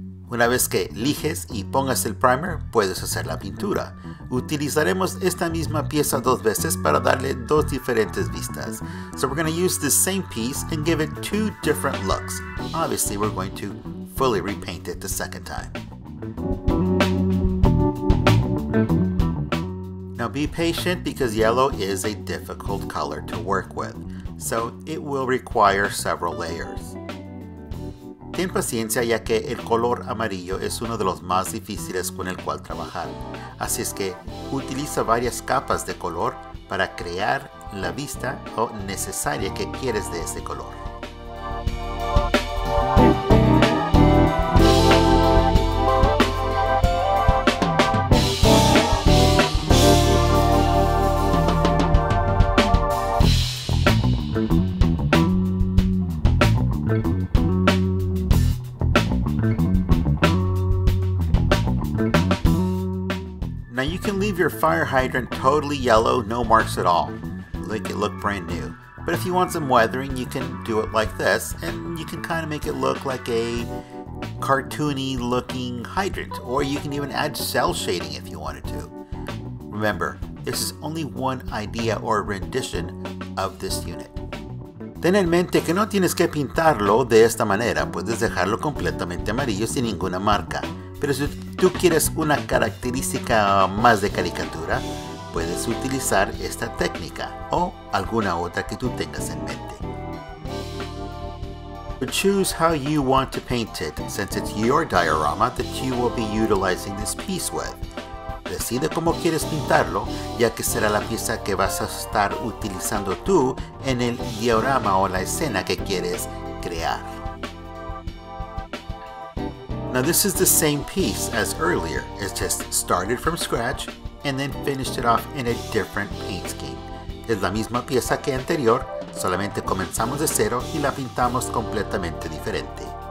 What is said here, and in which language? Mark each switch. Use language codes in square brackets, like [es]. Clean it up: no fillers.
[es] Una vez que eliges y pongas el primer, puedes hacer la pintura. Utilizaremos esta misma pieza dos veces para darle dos diferentes vistas. [en] So we're going to use the same piece and give it two different looks. Obviously, we're going to fully repaint it the second time. Now be patient because yellow is a difficult color to work with, so it will require several layers. [es] Ten paciencia ya que el color amarillo es uno de los más difíciles con el cual trabajar, así es que utiliza varias capas de color para crear la vista o necesaria que quieres de ese color. [en] Now you can leave your fire hydrant totally yellow, no marks at all. Make it look brand new. But if you want some weathering, you can do it like this, and you can kind of make it look like a cartoony looking hydrant, or you can even add cell shading if you wanted to. Remember, this is only one idea or rendition of this unit. [es] Ten en mente que no tienes que pintarlo de esta manera, puedes dejarlo completamente amarillo sin ninguna marca. Pero si tú quieres una característica más de caricatura, puedes utilizar esta técnica o alguna otra que tú tengas en mente. [en] Choose how you want to paint it, since it's your diorama that you will be utilizing this piece with. [es] Decide cómo quieres pintarlo, ya que será la pieza que vas a estar utilizando tú en el diorama o la escena que quieres crear. [en] Now this is the same piece as earlier, it's just started from scratch and then finished it off in a different paint scheme. [es] Es la misma pieza que anterior, solamente comenzamos de cero y la pintamos completamente diferente.